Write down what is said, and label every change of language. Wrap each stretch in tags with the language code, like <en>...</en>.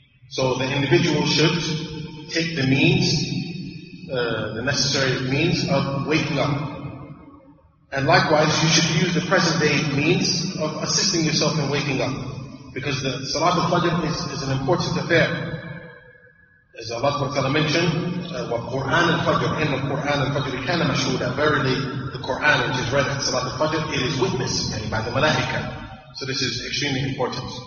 <en>So the individual should take the means, the necessary means of waking up. And likewise, you should use the present day means of assisting yourself in waking up, because the Salat al-Fajr is an important affair. As Allah SWT mentioned,</en> <ar>وَالْقُرْآنَ الْفَجْرِ إِنَّ الْقُرْآنَ الْفَجْرِ كَانَ مَشْهُودًا.</ar> <en>Verily, the Qur'an which is read at Salat al-Fajr, it is witnessed by the Malaika. So this is extremely important.</en>